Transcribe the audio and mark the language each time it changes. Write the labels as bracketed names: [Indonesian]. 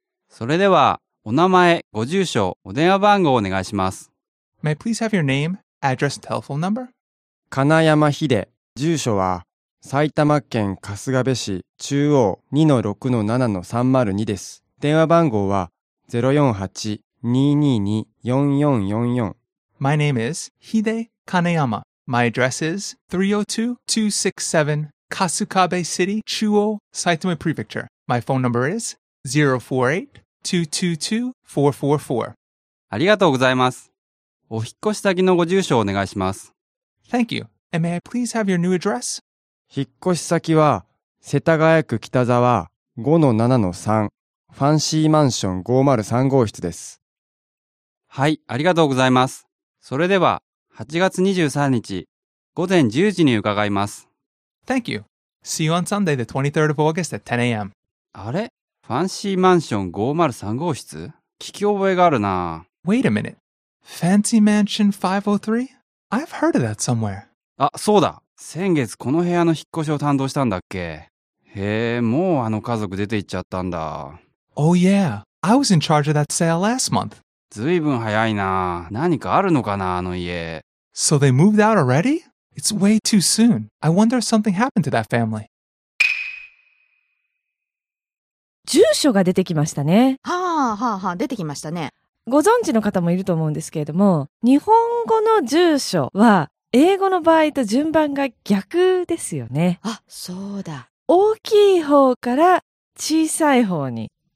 [Japanese] それでは、お名前、ご住所、お電話番号をお願いします。 [English] May I please have your name, address, telephone number? [Japanese] 金山秀、住所は埼玉県春日部市中央 2-6-7-302 です。電話番号は 048-222-4444。 [English] My name is Hide Kaneyama. My address is 302-267 Kasukabe City, Chuo, Saitama Prefecture. My phone number is 048-222-444. [Japanese] ありがとうございます。お引越し先のご住所をお願いします。 [English] Thank you. And may I please have your new address? [Japanese] 引越し先は、世田谷区北沢 5-7-3、ファンシーマンション503号室です。はい、ありがとうございます。それでは、8月23日、午前10時に伺います。 [English] Thank you. See you on Sunday, the 23rd of August at 10 a.m. [Japanese] あれ? ファンシーマンション503号室? 聞き覚えがあるな。 [English] Wait a minute. Fancy Mansion 503? I've heard of that somewhere. [Japanese] あ、そうだ。先月この部屋の引っ越しを担当したんだっけ。へえ、もうあの家族出て行っちゃったんだ。 [English] Oh yeah. I was in charge of that sale last month. [Japanese] ずいぶん早いな。何かあるのかな、あの家。 [English] So they moved out already? It's way too soon. I wonder if something happened to that family. [Japanese] 住所が出てきましたね。はあはあはあ、出てきましたね。ご存知の方もいると思うんですけれども、日本語の住所は英語の場合と順番が逆ですよね。あ、そうだ。大きい方から小さい方に。